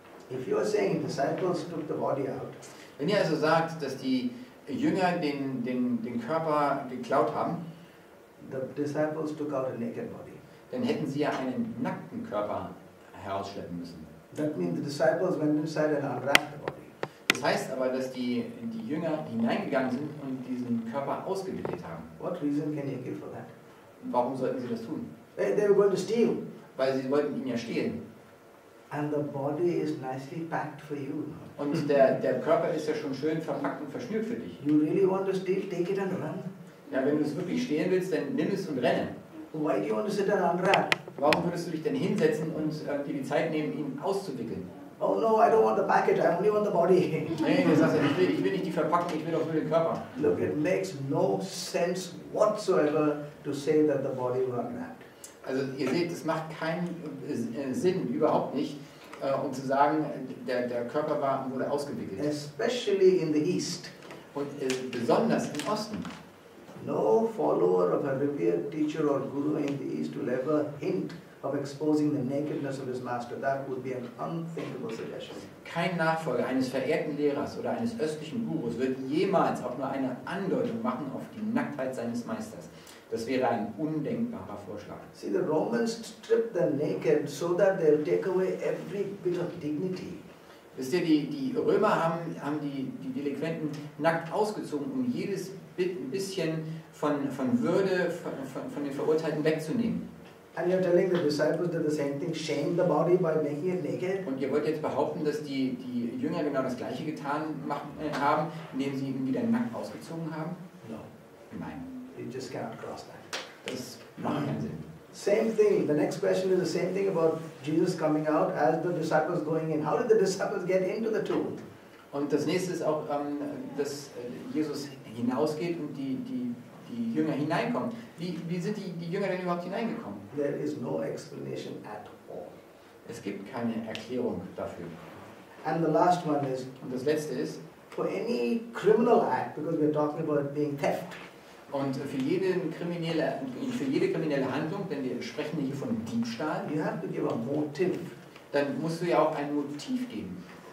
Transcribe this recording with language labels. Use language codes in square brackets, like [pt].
[en] If you are saying disciples took the body out. [de] Wenn ihr also sagt, dass die Jünger den Körper geklaut haben, [en] the disciples took out a naked body. [de] Dann hätten sie ja einen nackten Körper herausschleppen müssen. [en] That means the disciples went inside and unwrapped the body. [de] Das heißt aber, dass die Jünger hineingegangen sind und diesen Körper ausgewickelt haben. [en] What reason can you give for that? [de] Warum sollten sie das tun? [en] They were going to steal. [de] Weil sie wollten ihn ja stehlen. [en] And the body is nicely packed for you. [de] Und der Körper ist ja schon schön verpackt und verschnürt für dich. [en] You really want to steal, take it and run. [de] Ja, wenn du es wirklich stehlen willst, dann nimm es und renne. [en] Why do you want to sit and unwrap? [de] Warum würdest du dich denn hinsetzen und dir die Zeit nehmen, ihn auszuwickeln? [en] Oh no, I don't want the package, I only want the body. [de] Nein, das heißt, ich will nicht die Verpackung, ich will auch nur den Körper. [en] Look, it makes no sense whatsoever to say that the body will unwrap. [de] Also ihr seht, es macht keinen Sinn, überhaupt nicht, um zu sagen, der Körper wurde ausgewickelt. [en] Especially in the East. [de] Und besonders im Osten. [en] No follower of a revered teacher or guru in the East will ever hint of exposing the nakedness of his master, that would be an unthinkable suggestion. [de] Kein Nachfolger eines verehrten Lehrers oder eines östlichen Gurus wird jemals auch nur eine Andeutung machen auf die Nacktheit seines Meisters. Das wäre ein undenkbarer Vorschlag. [en] See, the Romans strip the naked so that they'll take away every bit of dignity. [de] Wisst ihr, die Römer haben die Delinquenten nackt ausgezogen, um jedes bisschen von Würde von den Verurteilten wegzunehmen. [en] And you're telling the disciples that the same thing, shame the body by making it naked? [de] Und ihr wollt jetzt behaupten, dass die Jünger genau das gleiche getan haben, indem sie ihn wieder nackt ausgezogen haben? [en] No. [de] Nein. [en] You just cannot cross that. [de] Das macht keinen Sinn. [en] Same thing. The next question is the same thing about Jesus coming out as the disciples going in. How did the disciples get into the tomb? [de] Und das nächste ist auch, dass Jesus hinausgeht und die Jünger hineinkommen. Wie sind die Jünger denn überhaupt hineingekommen? [en] There is no explanation at all. [de] Es gibt keine Erklärung dafür. [en] And the last one is, [de] und das letzte ist, [en] for any criminal act, because we're talking about being theft. [de] Und für jede kriminelle Handlung, denn wir sprechen hier von Diebstahl, [en] you have to give a motive. [de] Dann musst du ja auch ein Motiv geben.